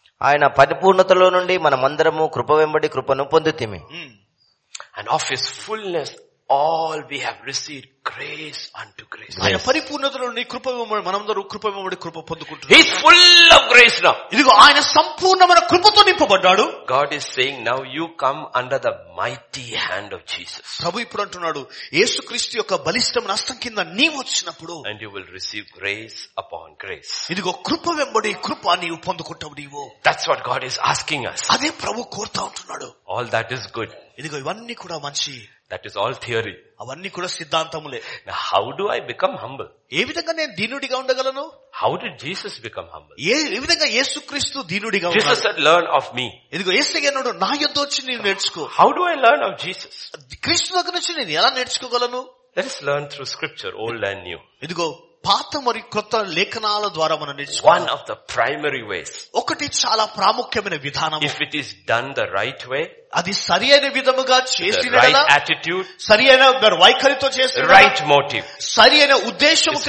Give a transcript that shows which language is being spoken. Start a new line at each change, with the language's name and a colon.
Telugu: ఆయన పరిపూర్ణతలో నుండి మనమందరము కృప వెంబడి కృపను పొందుతిమి.
English: And of his fullness all we have received grace unto grace.
Telugu: ఆయన పరిపూర్ణతలో నుండి కృప వెంబడి మనమందరము కృప వెంబడి కృప పొందుకుంటున్నాము.
English: He is full of grace now.
Telugu: ఇదిగో ఆయన సంపూర్ణమైన కృపతో నింపబడ్డాడు.
English: God is saying now you come under the mighty hand of Jesus.
Telugu: ప్రభు ఇప్పుడు అంటున్నాడు యేసుక్రీస్తు యొక్క బలిష్టమైన హస్తం కింద నీవు వచ్చినప్పుడు
English: and you will receive grace upon grace.
Telugu: ఇదిగో కృప వెంబడి కృప నీవు పొందుకుంటావు నీవు.
English: That's what God is asking us.
Telugu: అదే ప్రభు కోరుతా ఉంటున్నాడు.
English: All that is good.
Telugu: ఇదిగో ఇవన్నీ కూడా మంచి.
English: That is all theory.
Telugu: అవన్నీ కూడా సిద్ధాంతములే.
English: Now how do I become humble?
Telugu: ఏ విధంగా నేను దీనుడిగా ఉండగలను?
English: How did Jesus become humble?
Telugu: ఏ విధంగా యేసుక్రీస్తు దీనుడిగా ఉన్నాడు?
English: Jesus said, learn of me.
Telugu: ఇదిగో యేసుగారు అన్నాడు నా యొద్ద వచ్చి నేను నేర్చుకో.
English: How do I learn of Jesus?
Telugu: క్రీస్తు దగ్గర నుంచి నేను ఎలా నేర్చుకోగలను?
English: Let us learn through scripture, old and new.
Telugu: ఇదిగో పాత మరియు కొత్త లేఖనాల ద్వారా మనం నేర్చుకోవాలి.
English: One of the primary ways.
Telugu: ఒకటి చాలా ప్రాముఖ్యమైన విధానం.
English: If it is done the right way.
Telugu: అది సరి అయిన విధముగా చేసిన
English: attitude,
Telugu: సరి అయిన వైఖరితో చేసిన
English: right motive,
Telugu: సరి అయిన ఉద్దేశం,